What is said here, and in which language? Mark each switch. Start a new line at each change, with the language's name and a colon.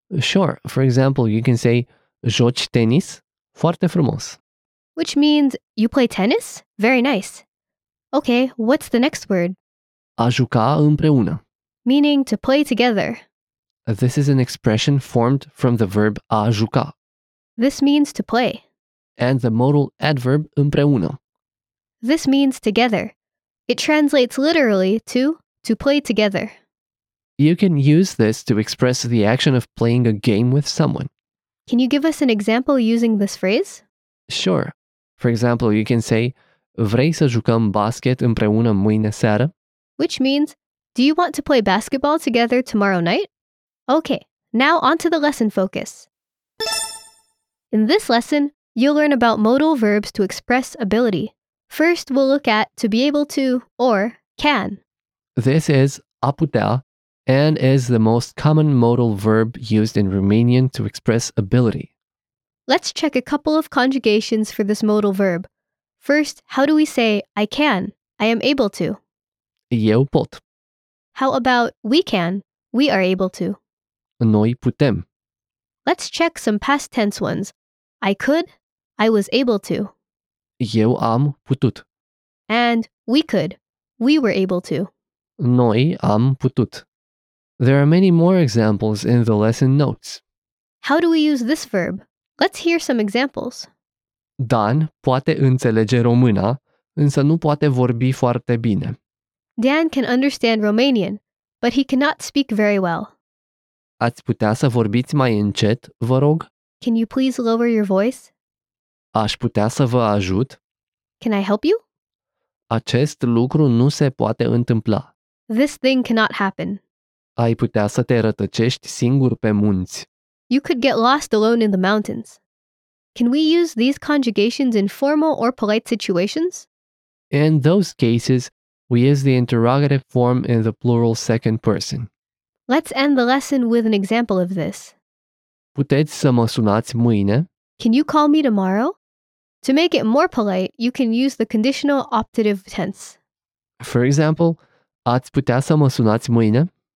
English: Sure. For example, you can say
Romanian: joci tenis foarte frumos,
English: which means you play tennis? Very nice. Okay, what's the next word?
Romanian: A juca împreună,
English: meaning to play together. This is an expression formed from the verb a juca. This means to play. And the modal adverb împreună. This means together. It translates literally to play together. You can use this to express the action of playing a game with someone. Can you give us an example using this phrase? Sure. For example, you can say,
Romanian: vrei să jucăm basket împreună mâine seară?
English: Which means, do you want to play basketball together tomorrow night? Okay, now on to the lesson focus. In this lesson, you'll learn about modal verbs to express ability. First, we'll look at to be able to or can. This is a putea and is the most common modal verb used in Romanian to express ability. Let's check a couple of conjugations for this modal verb. First, how do we say I can, I am able to?
Romanian: Eu pot.
English: How about we can, we are able to?
Romanian: Noi putem.
English: Let's check some past tense ones. I could, I was able to.
Romanian: Eu am putut.
English: And we could, we were able to.
Romanian: Noi am putut.
English: There are many more examples in the lesson notes. How do we use this verb? Let's hear some examples.
Romanian: Dan poate înțelege româna, însă nu poate vorbi foarte bine.
English: Dan can understand Romanian, but he cannot speak very well.
Romanian: Ați putea să vorbiți mai încet, vă rog?
English: Can you please lower your voice?
Romanian: Aș putea să vă ajut?
English: Can I help you?
Romanian: Acest lucru nu se poate întâmpla.
English: This thing cannot happen.
Romanian: Ai putea să te rătăcești singur pe munți.
English: You could get lost alone in the mountains. Can we use these conjugations in formal or polite situations? In those cases, we use the interrogative form in the plural second person. Let's end the lesson with an example of this.
Romanian: Puteți să mă sunați mâine?
English: Can you call me tomorrow? To make it more polite, you can use the conditional optative tense. For example,
Romanian: ați putea să mă sunați mâine?